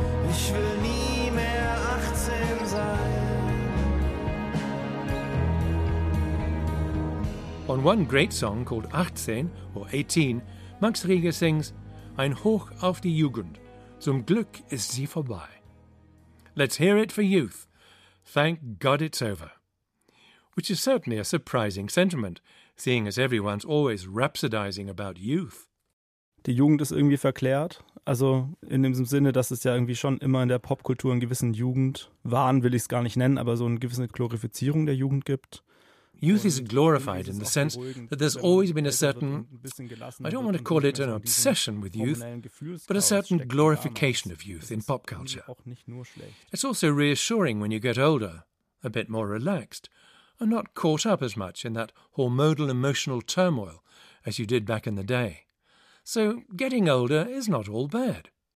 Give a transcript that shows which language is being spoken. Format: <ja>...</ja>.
<de>Ich will nie mehr 18 sein.</de> <en>On one great song called 18 or 18, Max Rieger sings</en> <de>Ein Hoch auf die Jugend, zum Glück ist sie vorbei.</de> <en>Let's hear it for youth. Thank God it's over. Which is certainly a surprising sentiment, seeing as everyone's always rhapsodizing about youth.</en> <de>Die Jugend ist irgendwie verklärt. Also in dem Sinne, dass es ja irgendwie schon immer in der Popkultur einen gewissen Jugendwahn, will ich es gar nicht nennen, aber so eine gewisse Glorifizierung der Jugend gibt.</de> <en>Youth is glorified in the sense that there's always been a certain, I don't want to call it an obsession with youth, but a certain glorification of youth in pop culture. It's also reassuring when you get older, a bit more relaxed, and not caught up as much in that hormonal emotional turmoil as you did back in the day. So getting older is not all bad.</en>